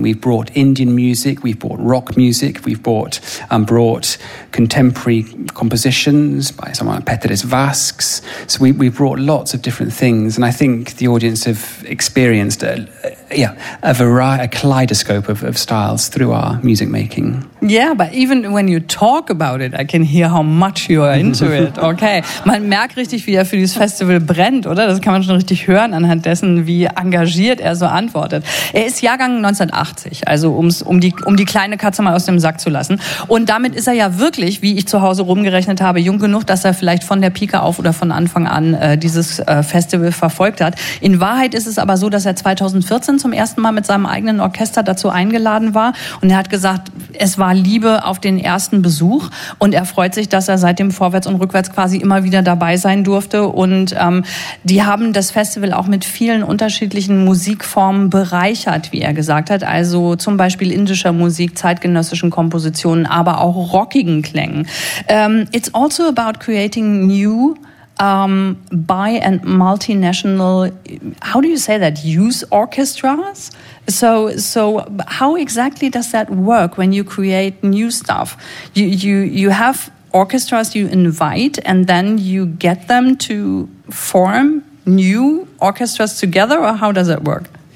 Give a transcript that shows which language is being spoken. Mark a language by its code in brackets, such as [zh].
[en] We've brought Indian music, we've brought rock music, we've brought contemporary compositions by someone like Petteris Vasks. So we brought lots of different things, and I think the audience have experienced a kaleidoscope of styles through our music making. Yeah, but even when you talk about it, I can hear how much you are into it. [de] Okay, man merkt richtig, wie er für dieses Festival brennt, oder? Das kann man schon richtig hören anhand dessen, wie engagiert er so antwortet. Er ist Jahrgang 1980, also um die kleine Katze mal aus dem Sack zu lassen. Und damit ist er ja wirklich, wie ich zu Hause rumgerechnet habe, jung genug, dass er vielleicht von der Pike auf oder von Anfang an dieses Festival verfolgt hat. In Wahrheit ist es aber so, dass er 2014 zum ersten Mal mit seinem eigenen Orchester dazu eingeladen war. Und er hat gesagt, es war Liebe auf den ersten Besuch. Und er freut sich, dass er seitdem vorwärts und rückwärts quasi immer wieder dabei sein durfte. Und die haben das Festival auch mit vielen unterschiedlichen Musikformen bereichert, wie er gesagt hat. Also zum Beispiel indischer Musik, zeitgenössischen Kompositionen, aber auch rockigen Klängen. [en] It's also about creating new bi and multinational, how do you say that, youth orchestras? So how exactly does that work when you create new stuff? You have orchestras you invite and then you get them to form new orchestras together, or how does it work?